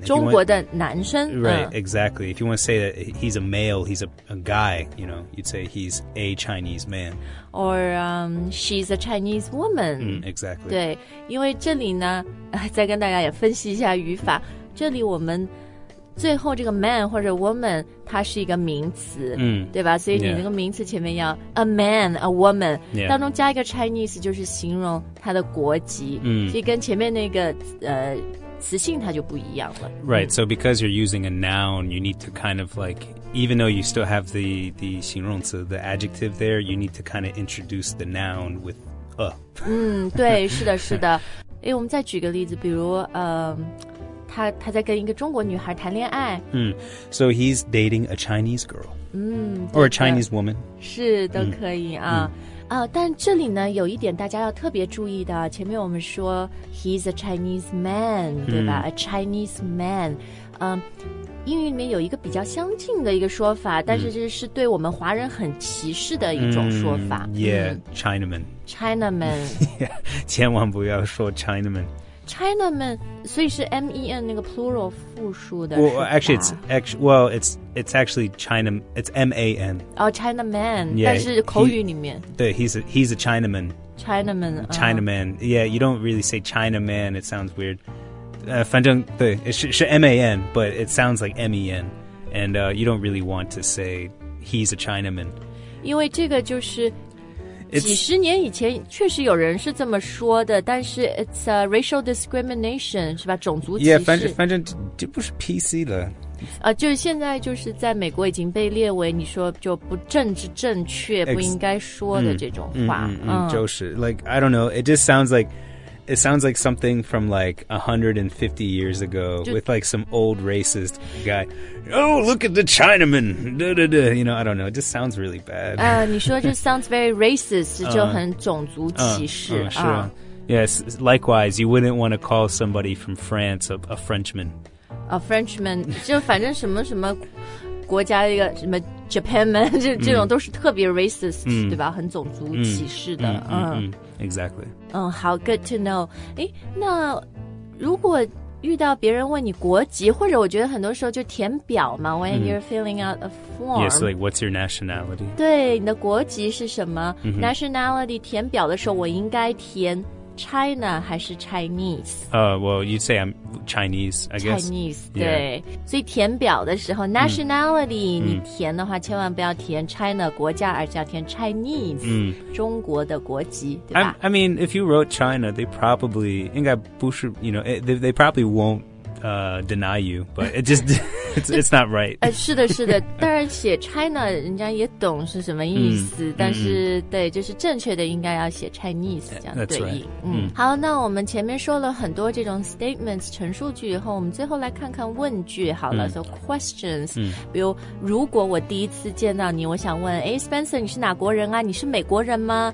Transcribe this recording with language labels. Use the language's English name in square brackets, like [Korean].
[Chinese] 中国的男生 [English] Right, exactly. If you want to say that he's a male, he's a guy, you know, you'd say he's a Chinese man. Or she's a Chinese woman. Exactly. [Chinese] 对因为这里呢再跟大家也分析一下语法这里我们最后这个 man 或者 woman 它是一个名词对吧所以你那个名词前面要 [English] a man, a woman、 yeah. [Chinese] 当中加一个 Chinese 就是形容它的国籍所以跟前面那个词性它就不一样了 [English] Right, so because you're using a noun you need to kind of like even though you still have the [Chinese] 形容词 [English] the adjective there you need to kind of introduce the noun with a [Chinese] 对是的是的我们再举个例子比如他在跟一个中国女孩谈恋爱。 [English] So he's dating a Chinese girl. Or a Chinese woman. [Chinese] 是都可以啊。但这里呢有一点大家要特别注意的前面我们说 [English] he's a Chinese man, [Chinese] 对吧 [English] a Chinese man. [Chinese] 英语里面有一个比较相近的一个说法但是这是对我们华人很歧视的一种说法。 [English] Chinaman. Chinaman. [Chinese] 千万不要说 Chinaman. Chinaman, 所以是 M-E-N 那个 plural 复数的 [English] Well, actually, it's actually China, it's M-A-N. Oh, Chinaman, yeah, [Chinese] 但是口语里面。对 [English] he's a Chinaman. Chinaman. Chinaman,yeah, you don't really say Chinaman, it sounds weird. [Chinese] 反正对 是 [English] M-A-N, but it sounds like M-E-N, and you don't really want to say he's a Chinaman. [Chinese] 因为这个就是几十年以前确实有人是这么说的但是 [English] it's a racial discrimination [Chinese] 是吧种族歧视 [English] yeah, [Chinese] 反正 这不是 PC 了就是现在就是在美国已经被列为你说就不政治正确不应该说的这种话 [English] 就是 like I don't know it just sounds likeIt sounds like something from like 150 years ago with like some old racist guy. Oh, look at the Chinaman. Da, da, da. You know, I don't know. It just sounds really bad. [Chinese] 你说就 [English] sounds very racist, [Chinese] 就很种族歧视。 [English] Yes, likewise, you wouldn't want to call somebody from France a Frenchman. A Frenchman, [Chinese] 就反正什么什么国家一个什么 Japanman, 这种都是特别 racist, 对吧很种族歧视的。 [English] Exactly. How good to know. [Chinese] 那如果遇到别人问你国籍或者我觉得很多时候就填表嘛 [English] when you're filling out a form. Yes, like what's your nationality? [Chinese] 对你的国籍是什么、Nationality 填表的时候我应该填 China 还是 Chinese? [English] Well, you'd say I'm Chinese, I guess. Chinese, 对。 [Chinese] 所以填表的时候 nationality 你填的话千万不要填 China 国家而是要填 Chinese, 中国的国籍对吧 [English] I mean, if you wrote China, they probably, [Chinese] 应该不是 [English] you know, they probably won't deny you, but it just, it's not right. [Chinese] 是的是的当然写 China, 人家也懂是什么意思但是对就是正确的应该要写 Chinese, 这样对应。好那我们前面说了很多这种 statements, 陈述句以后我们最后来看看问句好了 [English] so questions, [Chinese] 比如如果我第一次见到你我想问 Spencer, 你是哪国人啊你是美国人吗